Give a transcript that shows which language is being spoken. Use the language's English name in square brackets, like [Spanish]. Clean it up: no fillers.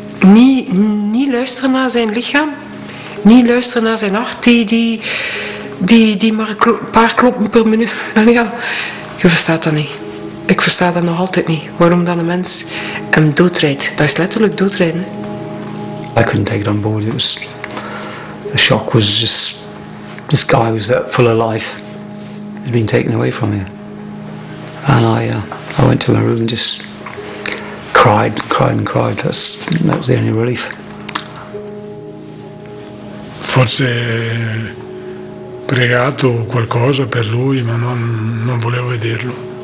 [Dutch] Niet luisteren naar zijn lichaam, niet luisteren naar zijn hart, die maar een paar kloppen per minuut. Ja. Je verstaat dat niet. Ik versta dat nog altijd niet. Waarom dan een mens hem doodrijdt. Dat is letterlijk doodrijden. [English] I couldn't take it on board. It was, the shock was just, this guy was full of life. He'd been taken away from him. And I went to my room and just cried, cried and cried. That was the only relief. [Italian] Forse pregato qualcosa per lui, ma non volevo vederlo.